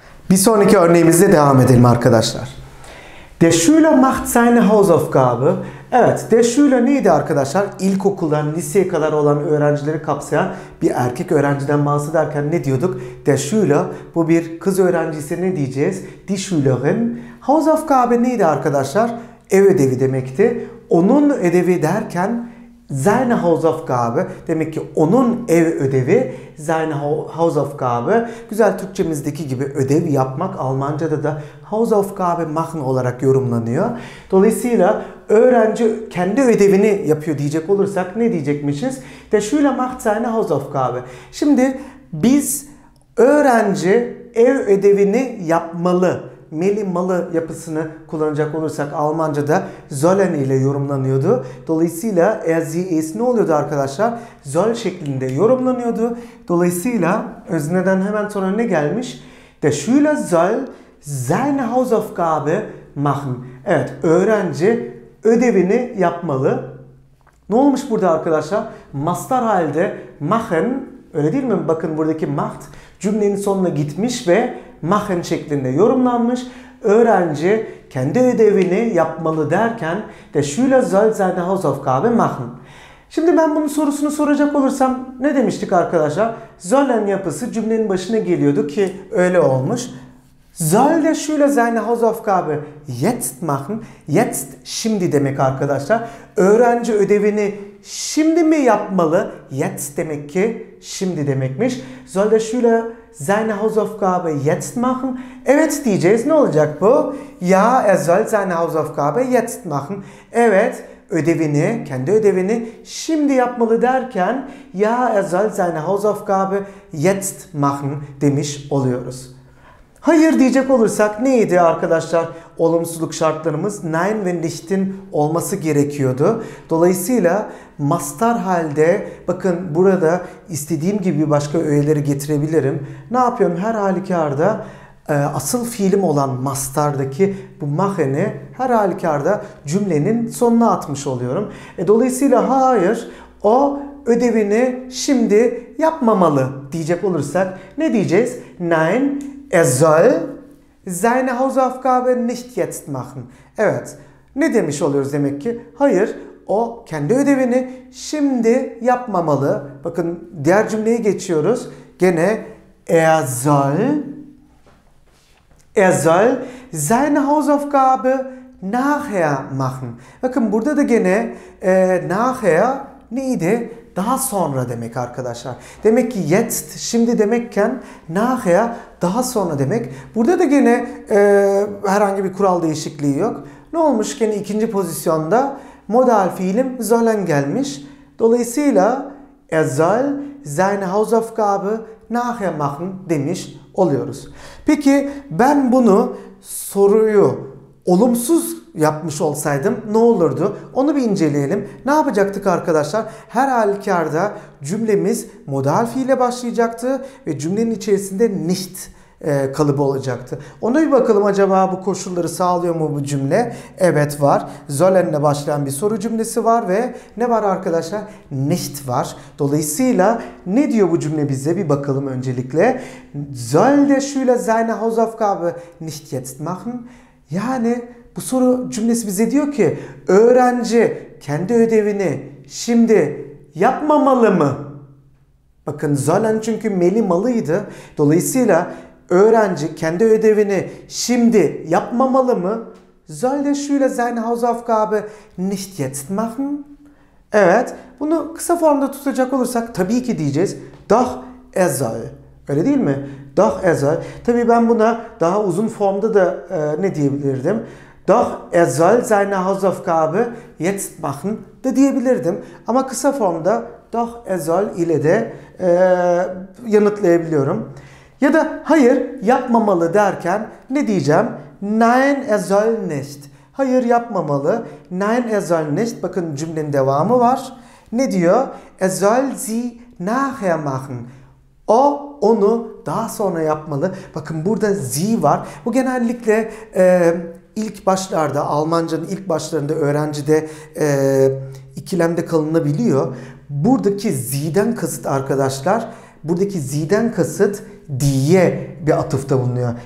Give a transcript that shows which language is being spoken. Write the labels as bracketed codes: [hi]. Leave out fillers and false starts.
[tr] Bir sonraki örneğimizle devam edelim arkadaşlar. [de] Der Schüler macht seine Hausaufgabe. [tr] Evet, der Schüler neydi arkadaşlar? İlkokuldan liseye kadar olan öğrencileri kapsayan bir erkek öğrenciden bahsederken ne diyorduk? Der Schüler, bu bir kız öğrencisi, ne diyeceğiz? Die Schülerin. Hausaufgabe neydi arkadaşlar? Ev ödevi demekti. Onun ödevi derken Seine Hausaufgabe. Demek ki onun ev ödevi seine Hausaufgabe. Güzel Türkçemizdeki gibi ödev yapmak Almanca'da da Hausaufgabe machen olarak yorumlanıyor. Dolayısıyla öğrenci kendi ödevini yapıyor diyecek olursak ne diyecekmişiz? [de] Der Schüler macht seine Hausaufgabe. [tr] Şimdi biz öğrenci ev ödevini yapmalı. Meli malı yapısını kullanacak olursak Almanca'da sollen ile yorumlanıyordu. Dolayısıyla [de] er sie es [tr] ne oluyordu arkadaşlar? Soll şeklinde yorumlanıyordu. Dolayısıyla özneden hemen sonra ne gelmiş? [de] Der Schüler soll seine Hausaufgabe machen. [tr] Evet, öğrenci ödevini yapmalı. Ne olmuş burada arkadaşlar? Mastar halde machen, öyle değil mi? Bakın buradaki macht cümlenin sonuna gitmiş ve machen şeklinde yorumlanmış. Öğrenci kendi ödevini yapmalı derken [de] der Schüler soll seine Hausaufgabe machen. [tr] Şimdi ben bunun sorusunu soracak olursam ne demiştik arkadaşlar? Sollen yapısı cümlenin başına geliyordu ki öyle olmuş. [de] Soll der Schüler seine Hausaufgabe jetzt machen? [tr] Jetzt şimdi demek arkadaşlar. Öğrenci ödevini şimdi mi yapmalı? Jetzt demek ki şimdi demekmiş. Soll der Schüler seine Hausaufgabe jetzt machen? Evet diyeceğiz. Ne olacak bu? [de] Ja, er soll seine Hausaufgabe jetzt machen. [tr] Evet, ödevini, kendi ödevini şimdi yapmalı derken [de] ja, er soll seine Hausaufgabe jetzt machen [tr] demiş oluyoruz. Hayır diyecek olursak neydi arkadaşlar? Olumsuzluk şartlarımız nein ve nicht'in olması gerekiyordu. Dolayısıyla mastar halde, bakın burada istediğim gibi başka öğeleri getirebilirim. Ne yapıyorum? Her halükarda asıl fiilim olan mastardaki bu machen'i her halükarda cümlenin sonuna atmış oluyorum. Dolayısıyla hayır, o ödevini şimdi yapmamalı diyecek olursak ne diyeceğiz? [de] Nein, er soll seine Hausaufgabe nicht jetzt machen. [tr] Evet, ne demiş oluyoruz demek ki? Hayır, o kendi ödevini şimdi yapmamalı. Bakın diğer cümleye geçiyoruz. [de] Gene er soll seine Hausaufgabe nachher machen. [tr] Bakın burada da gene nachher neydi? Daha sonra demek arkadaşlar. Demek ki jetzt şimdi demekken nachher daha sonra demek. Burada da gene herhangi bir kural değişikliği yok. Ne olmuş? Gene ikinci pozisyonda modal fiilim sollen gelmiş. Dolayısıyla [de] er soll seine Hausaufgabe nachher machen [tr] demiş oluyoruz. Peki ben bunu soruyu olumsuz yapmış olsaydım ne olurdu? Onu bir inceleyelim. Ne yapacaktık arkadaşlar? Her halükarda cümlemiz modal fiile başlayacaktı ve cümlenin içerisinde nicht kalıbı olacaktı. Ona bir bakalım, acaba bu koşulları sağlıyor mu bu cümle? Evet, var. Sollen'le başlayan bir soru cümlesi var ve ne var arkadaşlar? Nicht var. Dolayısıyla ne diyor bu cümle bize? Bir bakalım öncelikle. [de] Soll der Schüler seine Hausaufgabe nicht jetzt machen? [tr] Yani bu soru cümlesi bize diyor ki öğrenci kendi ödevini şimdi yapmamalı mı? Bakın sollen çünkü meli malıydı. Dolayısıyla öğrenci kendi ödevini şimdi yapmamalı mı? [de] Soll der Schüler seine Hausaufgabe nicht jetzt machen? [tr] Evet, bunu kısa formda tutacak olursak tabii ki diyeceğiz. [de] Doch er soll. [tr] Öyle değil mi? [de] Doch er soll. [tr] Tabii ben buna daha uzun formda da ne diyebilirdim? [de] Doch er soll seine Hausaufgabe jetzt machen [tr] da diyebilirdim. Ama kısa formda [de] doch er soll [tr] ile de yanıtlayabiliyorum. Ya da hayır yapmamalı derken ne diyeceğim? [de] Nein er soll nicht. [tr] Hayır yapmamalı. [de] Nein er soll nicht. [tr] Bakın cümlenin devamı var. Ne diyor? [de] Er soll sie nachher machen. [tr] O onu daha sonra yapmalı. Bakın burada sie var. Bu genellikle ilk başlarda, Almanca'nın ilk başlarında öğrencide ikilemde kalınabiliyor. Buradaki sie'den kasıt arkadaşlar, buradaki sie'den kasıt die'ye bir atıfta bulunuyor.